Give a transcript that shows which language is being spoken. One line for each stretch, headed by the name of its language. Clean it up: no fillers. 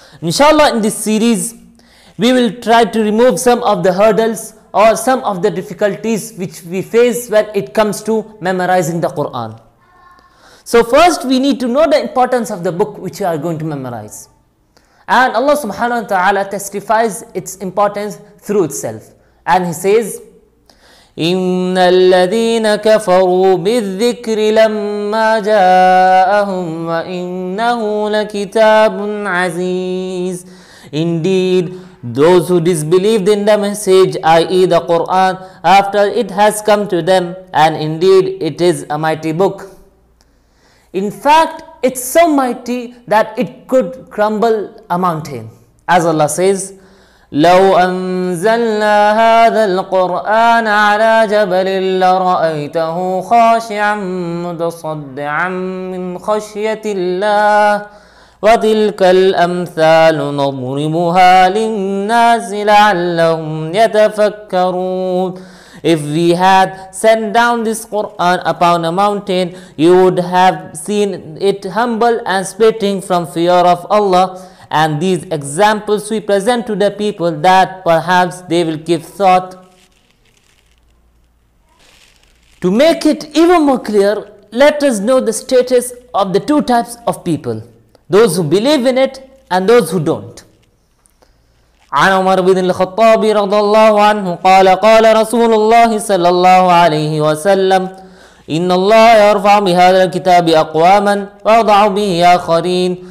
English: Inshallah, in this series, we will try to remove some of the hurdles or some of the difficulties which we face when it comes to memorizing the Quran. So first, we need to know the importance of the book which we are going to memorize. And Allah subhanahu wa ta'ala testifies its importance through itself. And He says,
Arabic: إن الذين كفروا بالذكر لما جاءهم وإنه لكتاب عزيز.
English: Indeed, those who disbelieved in the message, i.e. the Quran, after it has come to them, and indeed it is a mighty book. In fact, it's so mighty that it could crumble a mountain. As Allah says,
Arabic: لو أنزلنا هذا القرآن على جبل لرأيته خاشعا متصدعا من خشية الله وتلك الأمثال نضربها للناس لعلهم يتفكرون.
English: If we had sent down this Quran upon a mountain, you would have seen it humble and spitting from fear of Allah. And these examples we present to the people that perhaps they will give thought. To make it even more clear, let us know the status of the two types of people, those who believe in it and those who don't.
Arabic: عن عمر بن الخطاب رضي الله عنه قال قال رسول الله صلى الله عليه وسلم إن الله يرفع بهذا الكتاب أقواما ويضع به آخرين.